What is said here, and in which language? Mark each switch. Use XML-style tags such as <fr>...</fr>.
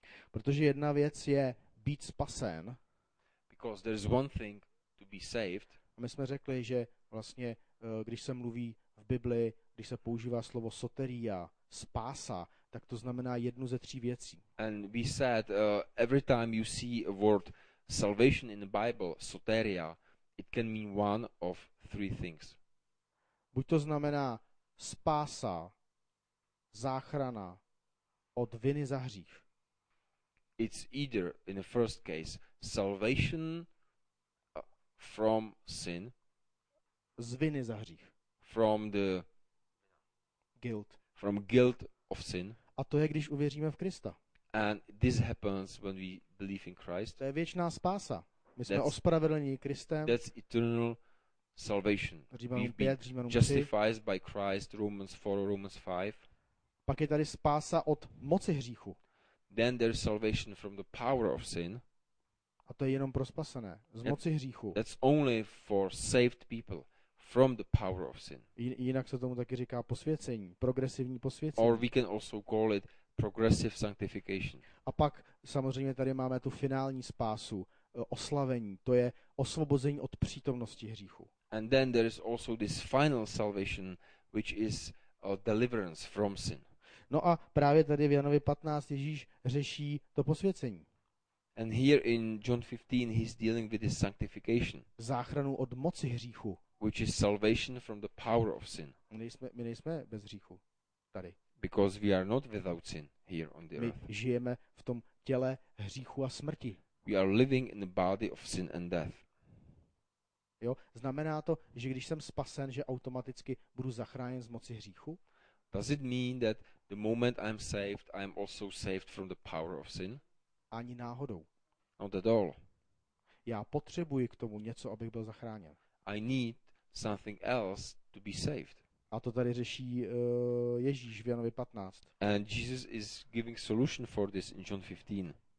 <cs>Protože jedna věc je být spasen.</cs> <en>Because there is one thing to be saved.</en> <cs>My jsme řekli, že vlastně když se mluví v Biblii, když se používá slovo soteria, spása, tak to znamená jednu ze tří věcí.</cs> <en>And we said every time you see a word salvation in the Bible, soteria, it can mean one of three things.</en> <cs>Buď to znamená spása, záchrana od viny za hřích.</cs> <en>It's either in the first case salvation from sin.</en> <cs>Z viny za hřích.</cs> <en>From the guilt. From guilt of sin.</en> <cs>A to je, když uvěříme v Krista.</cs> <en>And this happens when we believe in Christ.</en> <cs>To je věčná spása. My jsme ospravedlněni Kristem.</cs> <en>That's eternal salvation.</en> <cs>Římanům 5,</cs> <en>justified by Christ, Romans 4, Romans 5.</en> <cs>Pak je tady spása od moci hříchu.</cs> <en>Then there's salvation from the power of sin.</en> <cs>A to je jenom pro spasené, z moci hříchu.</cs> <en>That's only for saved people. From the power of sin.</en> <cs>Jinak se tomu taky říká posvěcení, progresivní posvěcení.</cs> <en>Or we can also call it progressive sanctification.</en> <cs>A pak samozřejmě tady máme tu finální spásu, oslavení, to je osvobození od přítomnosti hříchu.</cs> <en>And then there is also this final salvation, which is deliverance from sin.</en> <cs>No a právě tady v Janovi 15 Ježíš řeší to posvěcení.</cs> <en>And here in John 15 he's dealing with his sanctification.</en> <cs>Záchranu od moci hříchu.</cs> <en>Which is salvation from the power of sin.</en> <cs>My nejsme bez hříchu tady.</cs> <en>Because we are not without sin here on the earth.</en> <cs>My žijeme v tom těle hříchu a smrti.</cs> <en>We are living in the body of sin and death.</en> <cs>Jo, znamená to, že když jsem spasen, že automaticky budu zachráněn z moci hříchu?</cs> <en>Does it mean that the moment I am saved, I am also saved from the power of sin?</en> <cs>Ani náhodou.</cs> <en>Not at all.</en> <cs>Já potřebuji k tomu něco, abych byl zachráněn.</cs> <en>I need something else to be saved.</en> <cs>A to tady řeší Ježíš v Janovi 15.</cs> <en>And Jesus is giving solution for this in John 15.</en>